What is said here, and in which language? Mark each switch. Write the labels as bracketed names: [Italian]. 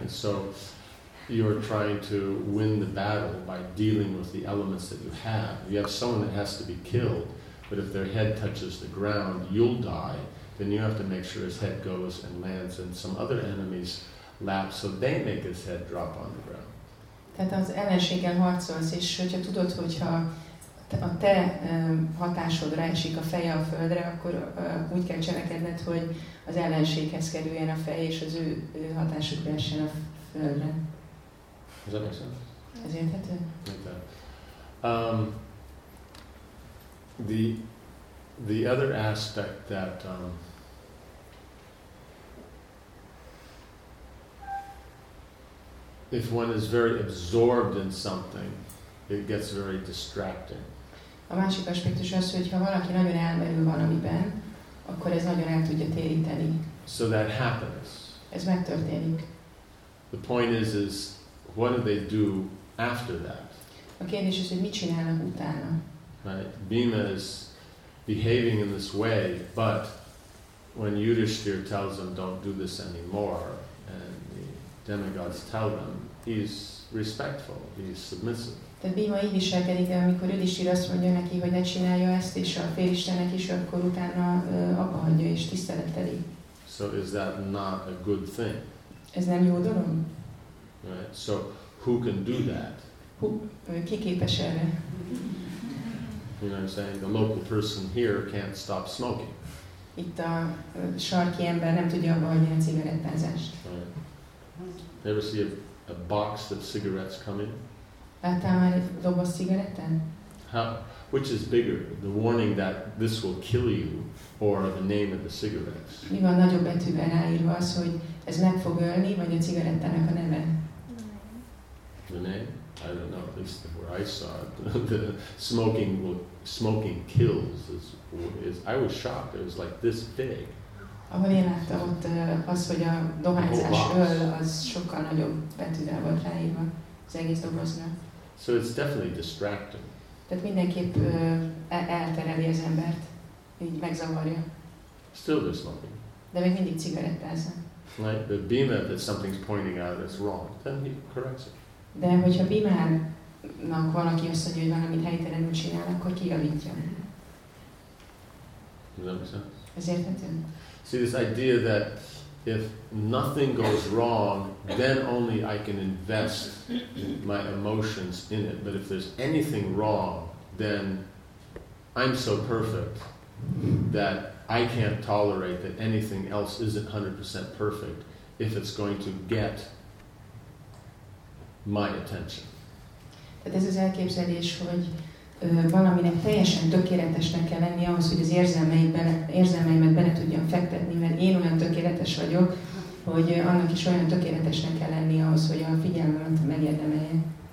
[English] And so you're trying to win the battle by dealing with the elements that you have. You have someone that has to be killed, but if their head touches the ground, you'll die. Then you have to make sure his head goes and lands in some other enemy's lap so they make his head drop on the ground. [Hungarian] Tehát az ellenséggel harcolsz, és hogyha tudod, hogyha a te hatásodra esik a feje a földre, akkor úgy kell cselekedned, hogy az ellenséghez kerüljen a fej, és az ő hatásukra essen a földre. [English] Is that makes sense? [Hungarian] Ez érthető? [English] Like that. The other aspect that if one is very absorbed in something, it gets very distracting. [Hungarian] A másik aspektus az, hogy ha valaki nagyon elmerül valamiben, akkor ez nagyon el tudja téríteni. [English] So that happens. [Hungarian] Ez megtörténik. [English] The point is what do they do after that? [Hungarian] A kérdés az, hogy mit csinálnak utána. [English] Right. Bhima is behaving in this way, but when Yudhishthir tells him don't do this anymore, and the demigods tell them, he's respectful, he's submissive. [Hungarian] Tehát Bhima így viselkedik, de amikor Yudhishthir azt mondja neki, hogy ne csinálja ezt, és a félistenek is, akkor utána abba hagyja és tiszteleteli. [English] So is that not a good thing? [Hungarian] Ez nem jó dolog? [English] Right. So who can do that? [Hungarian] Ki képes erre? [English] You know what I'm saying? The local person here can't stop smoking. [Hungarian] Itt a sarki ember nem tudja abba hagyni a cigarettázást. [English] Right. Ever see a box of cigarettes come in? [Hungarian] Láttál már egy doboz cigaretten? [English] Which is bigger, the warning that this will kill you, or the name of the cigarettes? [Hungarian] Mi van nagyobb betűben ráírva az, hogy ez meg fog ölni, vagy a cigarettának a neve? [English] The name? I don't know, at least where I saw it. The smoking kills. I was shocked. It was like this big. [Hungarian] Ahol én láttam ott az, hogy a dohányzás öl, az sokkal nagyobb betűvel volt ráírva az egész dobozra. [English] So it's definitely distracting. [Hungarian] Tehát mindenképp eltereli az embert, így megzavarja. [English] Still they're smoking. [Hungarian] De még mindig cigarettázza. [English] Like the Bhima, that something's pointing out that's wrong, then he corrects it. [Hungarian] De hogyha Bhimának valaki azt mondja, hogy valamit helytelenül csinál, akkor kijavítja. Ez érthető? [English] See, this idea that if nothing goes wrong, then only I can invest my emotions in it. But if there's anything wrong, then I'm so perfect that I can't tolerate that anything else isn't 100% perfect if it's going to get my attention. [Hungarian] Tehát ez az elképzelés, hogy valaminek teljesen tökéletesnek kell lenni ahhoz, hogy az érzelmeimet bele tudjam fektetni, mert én olyan tökéletes vagyok, hogy annak is olyan tökéletesnek kell lenni ahhoz, hogy a figyelmet megérdemelje.